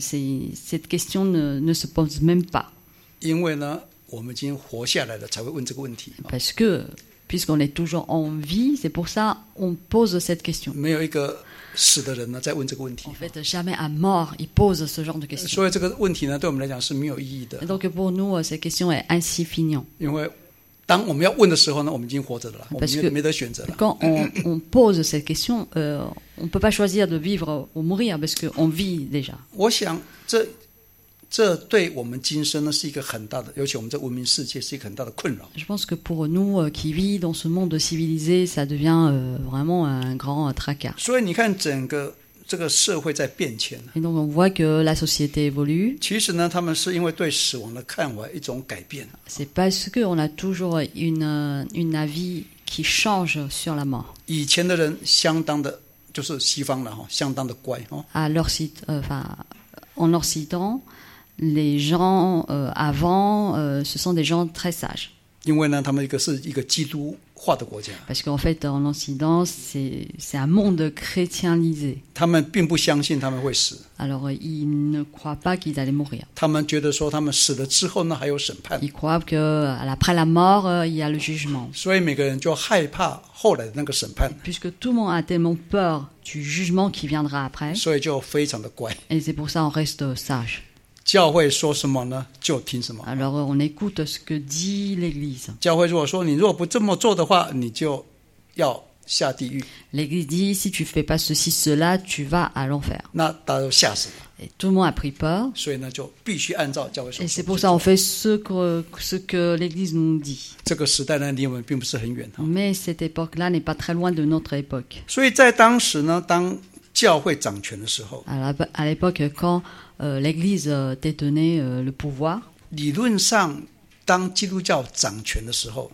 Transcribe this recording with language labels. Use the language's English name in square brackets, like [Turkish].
[French] Cette question ne se pose même pas. [Chinese] 因为呢，我们已经活下来了，才会问这个问题。 [French] Parce que, puisqu'on est toujours en vie, c'est pour ça on pose cette question. [Chinese] 没有一个死的人呢，在问这个问题。 [French] En fait, jamais un mort il pose ce genre de question. [Chinese] 所以这个问题呢，对我们来讲是没有意义的。 [French] Donc pour nous, cette question est insignifiante. [Chinese] 因为当我们要问的时候呢，我们已经活着了，我们没得选择了。 [French] Quand on pose cette question, on peut pas choisir de vivre ou mourir parce qu'on vit déjà. [Chinese] 我想这对我们今生呢是一个很大的，尤其我们在文明世界是一个很大的困扰。 [French] Je pense que pour nous qui vit dans ce monde civilisé, ça devient vraiment un grand tracas. [Chinese] 所以你看整个这个社会在变迁。 [French] Et donc on voit que la société évolue. [Chinese] 其实呢，他们是因为对死亡的看法一种改变。 [French] C'est parce que on a toujours une avis qui change sur la mort. [Chinese] 以前的人相当的，就是西方了相当的乖哦。 [French] À l'Occident, en Occident. Les gens avant, ce sont des gens très sages. [Chinese] 因为呢，他们一个是一个基督化的国家。 [French] Parce qu'en fait, en Occident, c'est un monde chrétienisé. [Chinese] 他们并不相信他们会死。 [French] Alors, ils ne croient pas qu'ils allaient mourir. [Chinese] 他们觉得说，他们死了之后呢，还有审判。 [French] Ils croient que après la mort, il y a le jugement. [Chinese] 所以每个人就害怕后来的那个审判。 [French] Puisque tout le monde a tellement peur du jugement qui viendra après. [Chinese] 所以就非常的乖。 [French] Et c'est pour ça qu'on reste sage. [Chinese] 教会说什么呢就听什么。 [French] Alors on écoute ce que dit l'église. [Chinese] 教会如果说你如果不这么做的话你就要下地狱。 [French] L'église dit, si tu fais pas ceci, cela, tu vas à l'enfer. [Chinese] 那大家都吓死了。 [French] Et tout le monde a pris peur. [Chinese] 所以呢就必须按照教会说。 [French] Et c'est pour ça qu'on fait ce que l'église nous dit. [Chinese] 这个时代呢离我们并不是很远。 [French] Mais cette époque-là n'est pas très loin de notre époque. [Chinese] 所以在当时呢当教会掌权的时候。 [French] À l'époque, quandL'Église détenait le pouvoir. [Chinese] 理论上，当基督教掌权的时候